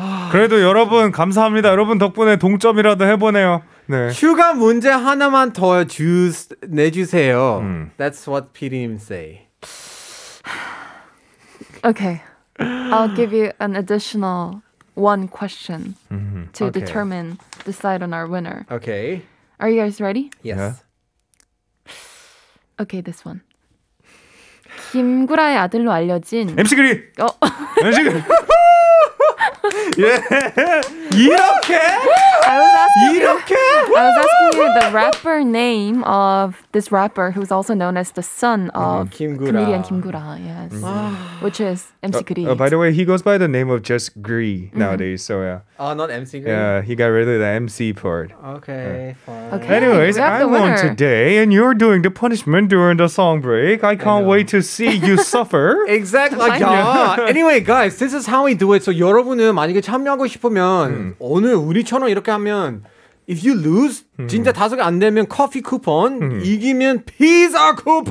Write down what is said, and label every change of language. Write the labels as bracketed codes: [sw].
[ko] 그래도 여러분 감사합니다. 여러분 덕분에 동점이라도 해보네요. 네. 휴가 문제 하나만 더 주스 내주세요. [en] That's what 피리님 say. Okay. I'll give you an additional one question to okay. decide on our winner. Okay. Are you guys ready? Yes. Yeah. Okay, this one. [ko] 김구라의 아들로 알려진 MC 그리. 어. MC 그리. 예. 이렇게? [en] I was asking you the rapper name of this rapper who is also known as the son of comedian Kim Gura. Yes. Which is MC 그리. By the way, he goes by the name of just Gri nowadays. So yeah. Oh, not MC 그리. Yeah, he got rid of the MC part. Okay. Fine. Okay. Anyways, we have I'm on today, and you're doing the punishment during the song break. I can't wait to see you suffer. Exactly. Like, anyway, guys, this is how we do it. [ko] So 여러분은 만약에 참여하고 싶으면 오늘 우리처럼 이렇게 하면 [en] if you lose [ko] 진짜 다섯 개 안 되면 커피 쿠폰 이기면 피자 쿠폰